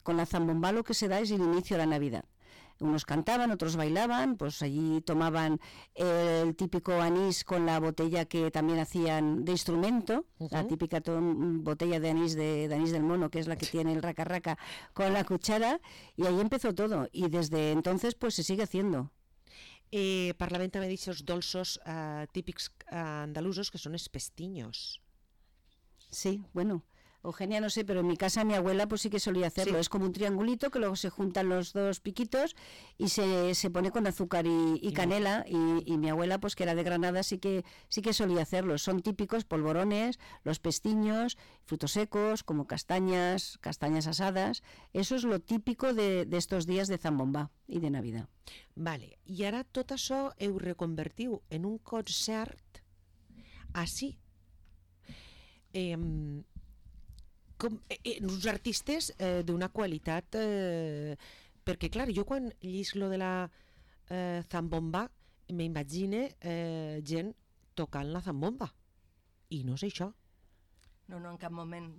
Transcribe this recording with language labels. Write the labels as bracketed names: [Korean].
[Spanish] Con la zambomba lo que se da es el inicio a la Navidad. Unos cantaban, otros bailaban, pues allí tomaban el típico anís con la botella que también hacían de instrumento, uh-huh. La típica botella de anís de anís del mono, que es la que tiene el raca raca con la cuchara, y ahí empezó todo, y desde entonces pues se sigue haciendo. [Catalan] Parlaven també d'aixòs dolços típics andalusos, que són els pestiños. [Spanish] Sí, bueno. Eugenia, no sé, pero en mi casa mi abuela pues sí que solía hacerlo. Sí. Es como un triangulito que luego se juntan los dos piquitos y se pone con azúcar y canela. Y mi abuela, pues que era de Granada, sí que solía hacerlo. Son típicos polvorones, los pestiños, frutos secos, como castañas asadas. Eso es lo típico de estos días de zambomba y de Navidad. Vale, y ahora todo eso he reconvertido en un concert así. [Catalan] Uns artistes d'una qualitat, perquè clar, jo quan llis lo de la zambomba m'imagine gent tocant la zambomba i no és això. No, en cap moment.